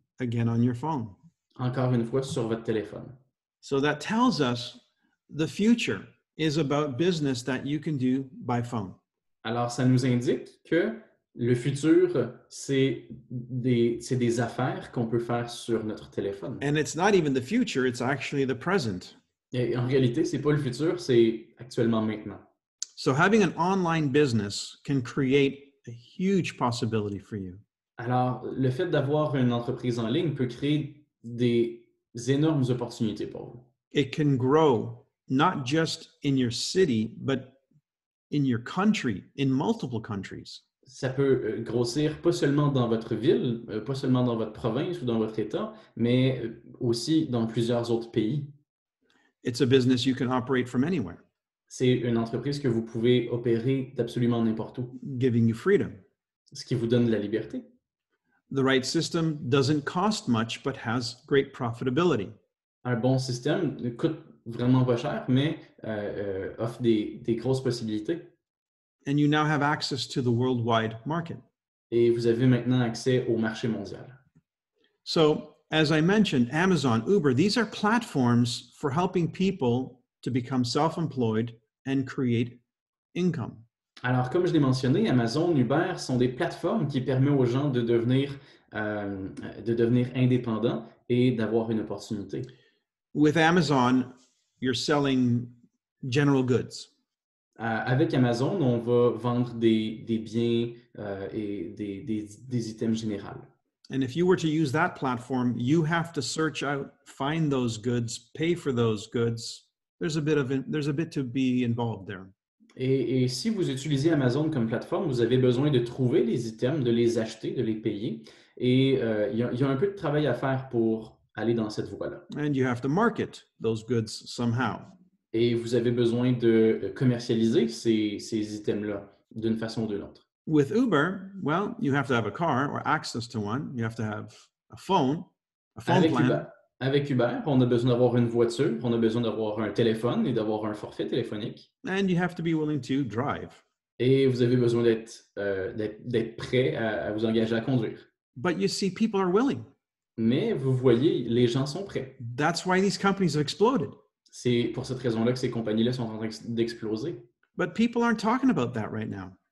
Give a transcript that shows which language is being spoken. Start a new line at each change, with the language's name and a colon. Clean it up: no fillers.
English: Again on your phone.
French: Encore une fois sur votre téléphone.
English: So that tells us the future is about business that you can do by phone.
French: Alors ça nous indique que le futur, c'est des affaires qu'on peut faire sur notre téléphone.
English: And it's not even the future, it's actually the present.
French: Et en réalité, c'est pas le futur, c'est actuellement maintenant.
English: So having an online business can create a huge possibility for you.
French: Alors, le fait d'avoir une entreprise en ligne peut créer des énormes opportunités pour vous.
English: It can grow not just in your city, but in your country, in multiple countries.
French: Ça peut grossir pas seulement dans votre ville, pas seulement dans votre province ou dans votre État, mais aussi dans plusieurs autres pays.
English: It's a business you can operate from anywhere.
French: C'est une entreprise que vous pouvez opérer d'absolument n'importe où.
English: Giving you freedom.
French: Ce qui vous donne la liberté.
English: The right system doesn't cost much, but has great profitability.
French: Un bon système ne coûte vraiment pas cher, mais offre des grosses possibilités.
English: And you now have access to the worldwide market.
French: Et vous avez maintenant accès au marché mondial.
English: So, as I mentioned, Amazon, Uber, these are platforms for helping people to become self-employed and create income.
French: Alors, comme je l'ai mentionné, Amazon, Uber sont des plateformes qui permettent aux gens de devenir indépendants et d'avoir une opportunité.
English: With Amazon, you're selling general goods.
French: Avec Amazon, on va vendre des biens et des items généraux.
English: And if you were to use that platform, you have to search out, find those goods, pay for those goods. There's a bit to be involved there.
French: Et si vous utilisez Amazon comme plateforme, vous avez besoin de trouver les items, de les acheter, de les payer. Et il y a un peu de travail à faire pour aller dans cette voie-là.
English: And you have to market those goods somehow.
French: Et vous avez besoin de commercialiser ces items-là d'une façon ou d'une autre.
English: With Uber, well, you have to have a car or access to one. You have to have a phone plan.
French: Avec Uber, on a besoin d'avoir une voiture, on a besoin d'avoir un téléphone et d'avoir un forfait téléphonique.
English: And you have to be willing to drive.
French: Et vous avez besoin d'être prêt à vous engager à conduire.
English: But you see, people are willing.
French: Mais vous voyez, les gens sont prêts.
English: That's why these companies have exploded.
French: C'est pour cette raison-là que ces compagnies-là sont en train d'exploser.
English: But people aren't talking about that right now.